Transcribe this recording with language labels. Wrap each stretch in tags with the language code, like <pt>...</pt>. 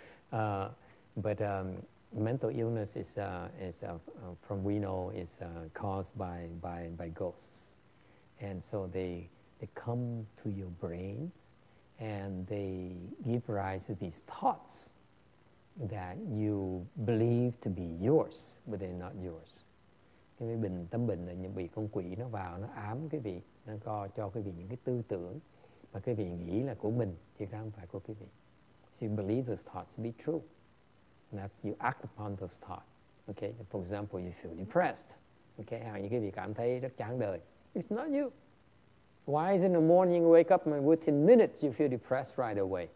<en>But mental illness is caused by ghosts. And so they come to your brains, and they give rise to these thoughts that you believe to be yours, but they're not yours.</en> <vi>Cái bệnh tâm bệnh là những bị con quỷ nó vào, nó ám cái vị, nó cho cái vị những cái tư tưởng mà cái vị nghĩ là của mình, chứ không phải của cái vị.</vi> <en>So you believe those thoughts to be true. And that's, you act upon those thoughts. Okay, for example, you feel depressed.</en> <vi>những cái vị cảm thấy rất chán đời.</vi> <en>It's not you. Why is it in the morning you wake up and within minutes you feel depressed right away?</en>